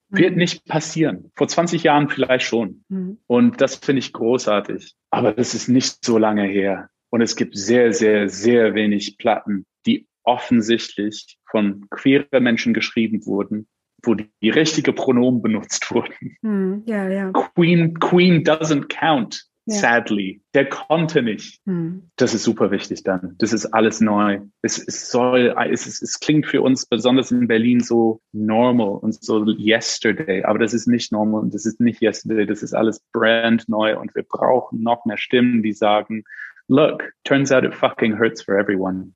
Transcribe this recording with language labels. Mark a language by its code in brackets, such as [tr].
[de] Wird nicht passieren. Vor 20 Jahren vielleicht schon. Und das finde ich großartig. Aber das ist nicht so lange her. Und es gibt sehr, sehr, sehr wenig Platten, die offensichtlich von queeren Menschen geschrieben wurden, wo die richtige Pronomen benutzt wurden. [en] Queen doesn't count, sadly. [de] Der konnte nicht. Das ist super wichtig dann. Das ist alles neu. Es klingt für uns besonders in Berlin so normal und so yesterday. Aber das ist nicht normal und das ist nicht yesterday. Das ist alles brand neu und wir brauchen noch mehr Stimmen, die sagen, [en] look, turns out it fucking hurts for everyone.